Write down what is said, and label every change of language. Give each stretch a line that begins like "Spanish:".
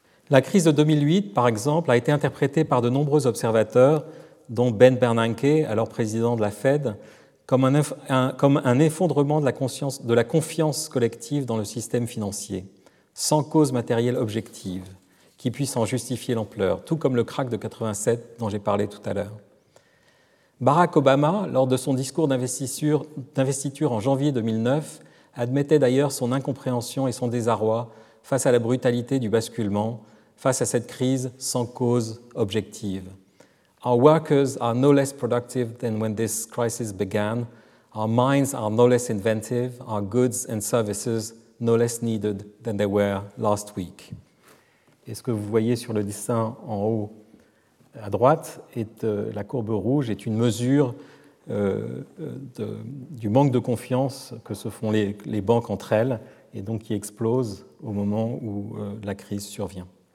French: La crise de 2008, par exemple, a été interprétée par de nombreux observateurs, dont Ben Bernanke, alors président de la Fed, comme un effondrement de la confiance collective dans le système financier, sans cause matérielle objective qui puisse en justifier l'ampleur, tout comme le krach de 87 dont j'ai parlé tout à l'heure. Barack Obama, lors de son discours d'investiture en janvier 2009, admettait d'ailleurs son incompréhension et son désarroi face à la brutalité du basculement, face à cette crise sans cause objective.
English: Our workers are no less productive than when this crisis began. Our minds are no less inventive. Our goods and services no less needed than they were last week.
French: Et ce que vous voyez sur le dessin en haut à droite, la courbe rouge est une mesure du manque de confiance que se font les banques entre elles et donc qui explose au moment où la crise survient.